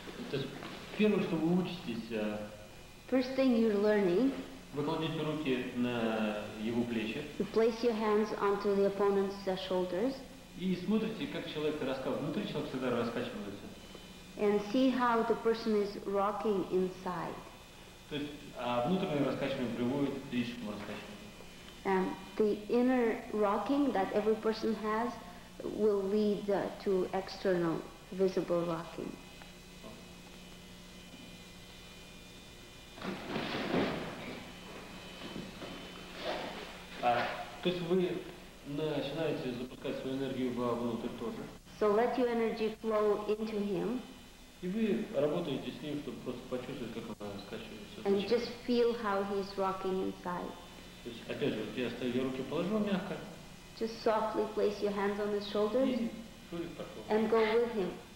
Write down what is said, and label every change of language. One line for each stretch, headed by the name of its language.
Russian: То есть первое, что вы учитесь,
English: first thing you're learning,
Russian: вы кладете руки на его плечи.
English: You place your hands onto the opponent's shoulders.
Russian: И смотрите, как человек внутри человека всегда раскачивается.
English: And see how the person is rocking inside.
Russian: То есть внутреннее раскачивание приводит к физическому раскачиванию.
English: The inner rocking that every person has will lead to external visible rocking.
Russian: То есть вы начинаете запускать свою энергию вовнутрь тоже.
English: So let your energy flow into him.
Russian: И вы работаете с ним, чтобы просто почувствовать, как он раскачивается.
English: And just feel how he's rocking inside.
Russian: То есть, опять же, я ставлю руки, положу мягко.
English: Just softly place your hands on his shoulders. And go with him.